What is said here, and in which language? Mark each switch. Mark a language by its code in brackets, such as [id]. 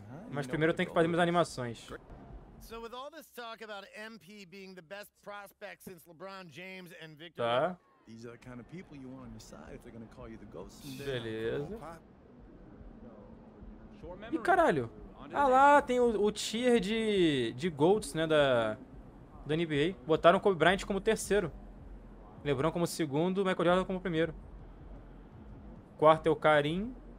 [pt] Mas primeiro eu tenho que fazer minhas animações. [en] So with all this talk about MP being the best prospect since LeBron James and Victor, [pt] tá. [en] These are the kind of people you want on your side if they're going to call you the ghost. [pt] Beleza. E caralho. Ah lá, tem o tier de GOATs, né, da NBA. Botaram Kobe Bryant como terceiro. LeBron como segundo, Michael Jordan como primeiro. Quarto é o Karim.